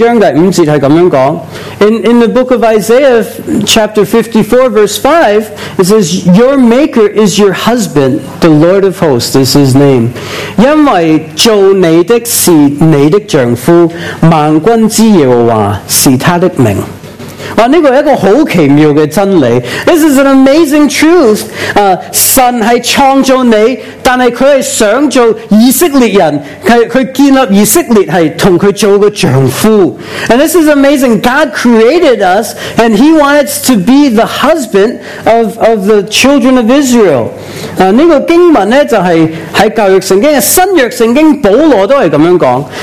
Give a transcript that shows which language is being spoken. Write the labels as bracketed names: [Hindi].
[Chinese] 以賽亞書第54章第5節是這樣講, [English] in the book of Isaiah chapter 54 verse 5, it says, your maker is your husband, the Lord of hosts is his name. [Chinese] 因為做你的是你的丈夫,萬軍之耶和華是他的名。哇,這個一個很奇妙的真理. [English] This is an amazing truth. [Chinese] 神是創造你,但是祂想做以色列人,祂建立以色列是跟祂做的丈夫. [English] And this is amazing. God created us, and He wants to be the husband of the children of Israel. [Chinese] 這個經文就是在舊約聖經,新約聖經保羅都是這樣講.